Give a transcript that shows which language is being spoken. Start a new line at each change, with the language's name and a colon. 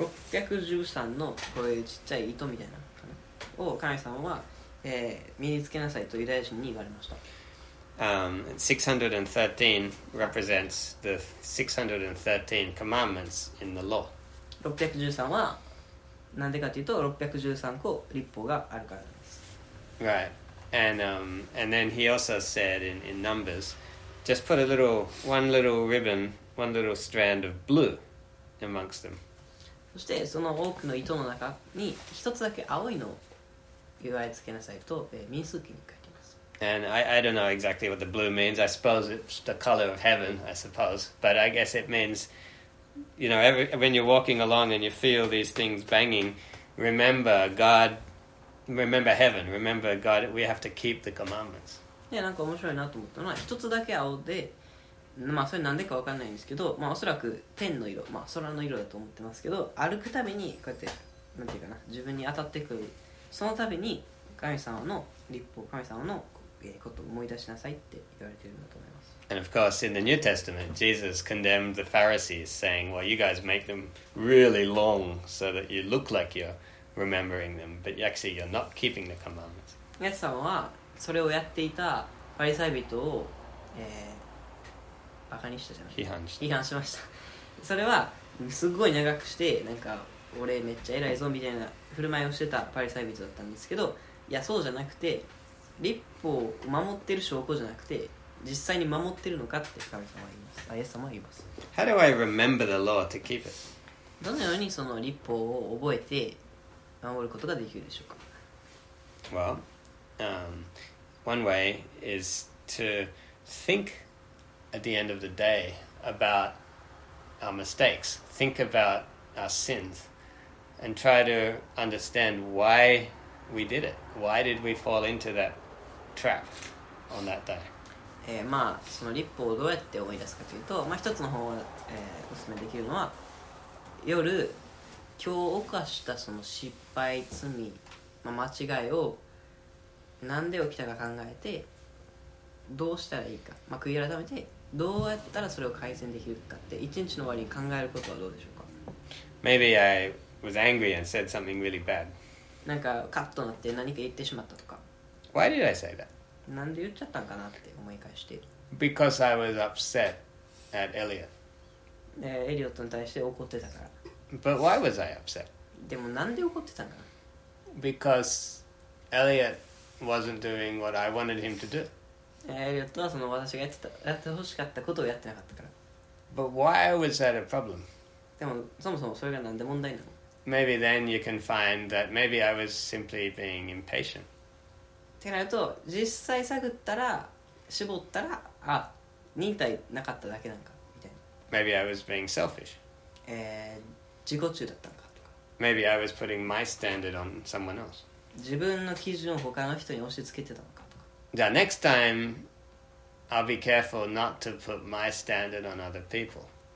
Japanese: 613のこういうちっちゃい糸みたいなを神様は、身につけなさいとユダヤ人に言われました。
English: 613 represents the 613 commandments in the law.
Japanese: 613はなんでかというと613個律法があるからです。
English: Right. And then he also said in Numbers, just put a little, one little ribbon, one little strand of blue amongst them.
Japanese: そしてその多くの糸の中に一つだけ青いのを結いつけなさいと、民数記に書いています。
English: And I don't know exactly what the blue means. I suppose it's the color of heaven, I suppose. But I guess it meansYou know, when you're walking along and you feel these things banging, remember God, remember heaven, remember God, we have to keep the commandments.
Japanese: Yeah, なんか面白いなと思ったのは、一つだけ青で、まあそれなんでかわかんないんですけど、まあおそらく天の色、まあ空の色だと思ってますけど、歩くたびにこうやって、なんていうかな、自分に当たってくる、そのたびに神様の律法、神様のことを思い出しなさいって言われてるんだと思います。
English: And of course, in the New Testament, Jesus condemned the Pharisees, saying, well, you guys make them really long so that you look like you're remembering them, but actually you're not keeping the commandments.
Japanese: イエス様はそれをやっていたファリサイ人を、バカにしたじゃないですか。批判しました。それはすごい長くして、なんか俺めっちゃ偉いぞみたいな振る舞いをしてたファリサイ人だったんですけど、いや、そうじゃなくて、律法を守ってる証拠じゃなくて、実際に守ってるのかって神様は言います。イエス様は言います。
English: How do I remember the law to keep it?
Japanese: どのようにその律法を覚えて守ることができるでしょうか?
English: Well, one way is to think at the end of the day about our mistakes, think about our sins, and try to understand why we did it. Why did we fall into that trap on that day?
Japanese: まあ、その律法をどうやって思い出すかというと、まあ、一つの方法が、おすすめできるのは、夜今日犯したその失敗、罪、まあ、間違いを何で起きたか考えて、どうしたらいいか、まあ、悔い改めてどうやったらそれを改善できるかって一日の終わりに考えることはどうでしょうか。
English: Maybe I was angry and said something really bad.
Japanese: なんかカッとなって何か言ってしまったとか。
English: Why did I say that?
Japanese: なんで言っちゃったんかなって思い返して。
English: Because I was upset at Elliot.
Japanese: エリオットに対して怒ってたから。
English: But why was I upset?
Japanese: でもなんで怒ってたんかな。
English: Because Elliot wasn't doing what I wanted him to do.
Japanese: エリオットはその私がやって欲しかったことをやってなかったから。
English: But why was that a problem?
Japanese: でもそもそもそれがなんで問題なの。
English: Maybe then you can find that maybe I was simply being impatient.
Japanese: ってなると、実際探ったら、絞ったら、あ、忍耐なかっただけなんか、みたいな。
English: Maybe I was being selfish.
Japanese: 自己中だったのかとか。
English: Maybe I was putting my standard on someone else.
Japanese: 自分の基準を他の人に押し付けてたのかとか。
English: じゃあ、next time, I'll be careful not to put my standard on other people.